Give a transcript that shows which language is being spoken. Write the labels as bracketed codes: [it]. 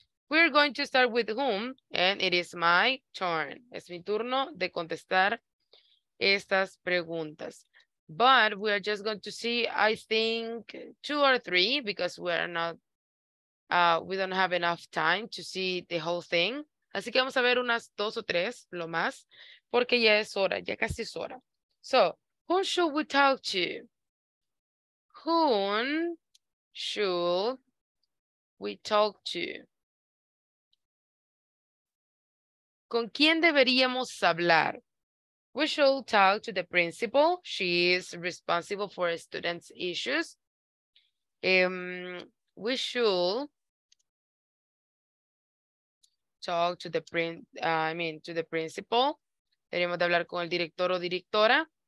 [en] We're going to start with whom, and it is my turn. [es] Es mi turno de contestar estas preguntas. [en] But we are just going to see, I think, two or three, because we are not, we don't have enough time to see the whole thing. [es] Así que vamos a ver unas dos o tres, lo más, porque ya es hora, ya casi es hora. [en] So, whom should we talk to? Whom should we talk to? [es] ¿Con quién deberíamos hablar? [en] We should talk to the principal. She is responsible for students' issues. We should talk to the to the principal. [es] Deberíamos de hablar con el director o directora.